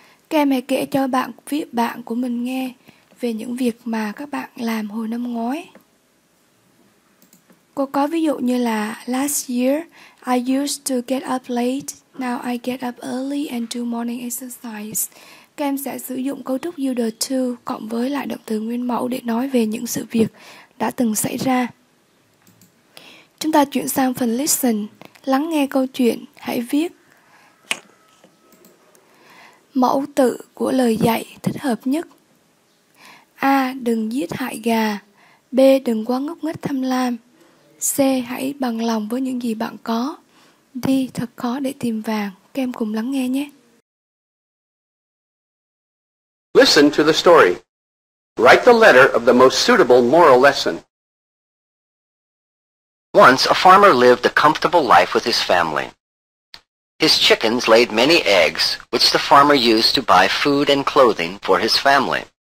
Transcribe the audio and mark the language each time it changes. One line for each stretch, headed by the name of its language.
Vietnamese: Các em hãy kể cho bạn viết bạn của mình nghe về những việc mà các bạn làm hồi năm ngoái. Cô có ví dụ như là
English: last year I used to get up late. Now I get up early and do morning exercise.
Vietnamese: Các em sẽ sử dụng cấu trúc
English: you the to
Vietnamese: cộng với lại động từ nguyên mẫu để nói về những sự việc đã từng xảy ra. Chúng ta chuyển sang phần listen, lắng nghe câu chuyện, hãy viết. mẫu tự của lời dạy thích hợp nhất. A. Đừng giết hại gà. B. Đừng quá ngốc nghếch tham lam. C. Hãy bằng lòng với những gì bạn có. D. Thật khó để tìm vàng. Các em cùng lắng nghe nhé.
English: Listen to the story. Write the letter of the most suitable moral lesson. Once a farmer lived a comfortable life with his family. His chickens laid many eggs, which the farmer used to buy food and clothing for his family.